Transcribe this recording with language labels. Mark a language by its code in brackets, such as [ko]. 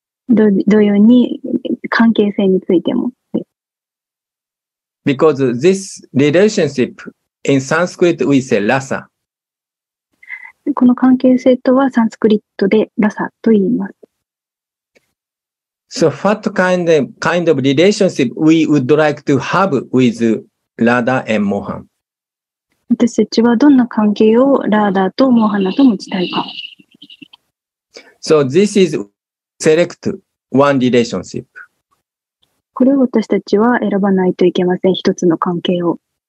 [ja] 同様に関係性についても。 [en] Because this relationship, in Sanskrit we say rasa. [ja] この関係性とはサンスクリットでラサと言います。 [en] So what kind of relationship we would like to have with Radha and Mohan? [ja] 私たちはどんな関係をラーダーとモーハナと持ちたいか。 [en] So this is select one relationship. [ja] これを私たちは選ばないといけません。一つの関係を。